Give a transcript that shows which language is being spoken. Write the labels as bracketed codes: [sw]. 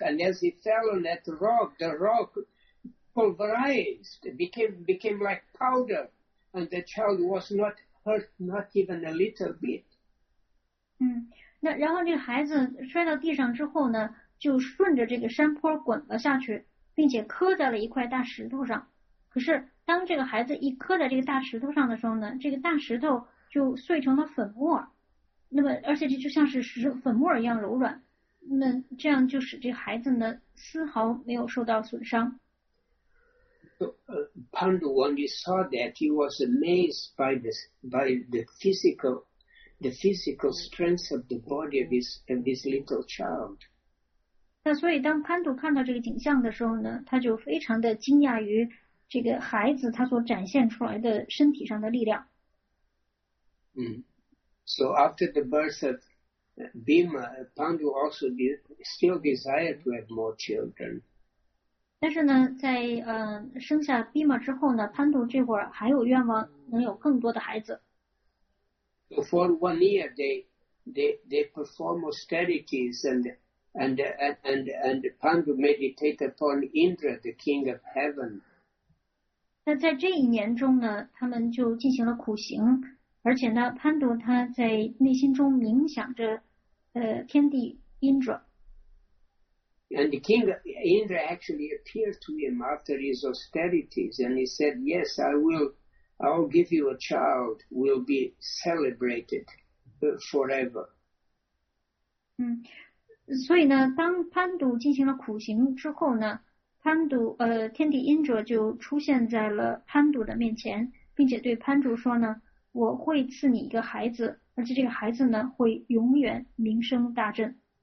[en] And as he fell on that rock, the rock pulverized, became like powder, and the child was not hurt, not even a little bit. [zh] 那然后这个孩子摔到地上之后呢，就顺着这个山坡滚了下去，并且磕在了一块大石头上。可是当这个孩子一磕在这个大石头上的时候呢，这个大石头就碎成了粉末，那么而且这就像是粉末一样柔软，那这样就使这个孩子呢丝毫没有受到损伤。 [en] Pandu, when he saw that, he was amazed by the physical strength of the body of his little child. [zh] 那所以当潘度看到这个景象的时候呢，他就非常的惊讶于这个孩子他所展现出来的身体上的力量。 [en] So after the birth of Bhima, Pandu also still desired to have more children. [zh] 但是呢，在生下 Bhima 之后呢，潘度这会儿还有愿望能有更多的孩子。 [en] So for 1 year, they perform austerities and Pandu meditate upon Indra, the king of heaven. [zh] 那在这一年中呢，他们就进行了苦行，而且呢，潘度他在内心中冥想着，天帝 Indra。 [en] And the king Indra actually appeared to him after his austerities, and he said, "Yes, I'll give you a child. We'll be celebrated forever." [zh] 嗯，所以呢，当潘度进行了苦行之后呢，潘度天帝 Indra 就出现在了潘度的面前，并且对潘度说呢，我会赐你一个孩子，而且这个孩子呢，会永远名声大振。